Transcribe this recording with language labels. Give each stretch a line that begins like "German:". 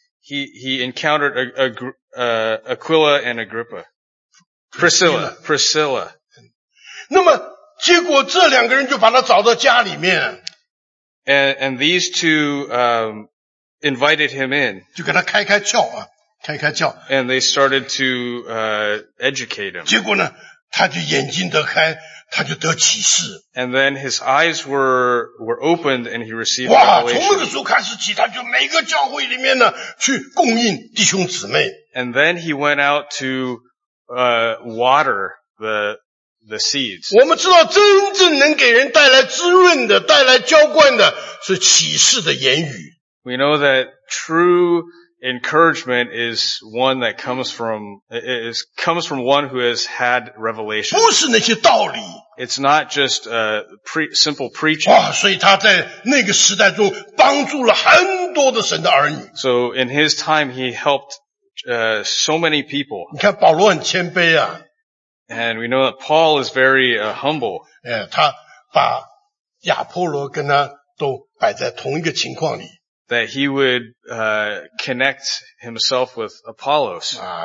English: he encountered Aquila and Agrippa. Priscilla.
Chinese: 那么结果这两个人就把他找到家里面。
English: And these two invited him in.
Chinese: 就跟他开开窍啊。
English: And they started to educate him.
Chinese: 结果呢, 他就眼睛得开, 他就得启示。
English: And then his eyes were opened and he received revelation.
Chinese: 哇, 从那个时候开始起, 他就每个教会里面呢, 去供应弟兄姊妹。
English: And then he went out to water the seeds.
Chinese: 我们知道真正能给人带来滋润的, 带来浇灌的, 是启示的言语。
English: We know that true encouragement is one that comes from one who has had revelation.
Chinese: 不是那些道理。
English: It's not just simple preaching.
Chinese: 哇,所以他在那个时代中帮助了很多的神的儿女。
English: So in his time, he helped so many people.
Chinese: 你看保罗很谦卑啊。
English: And we know that Paul is very humble.
Chinese: 他把亚波罗跟他都摆在同一个情况里。
English: That he would connect himself with Apollos.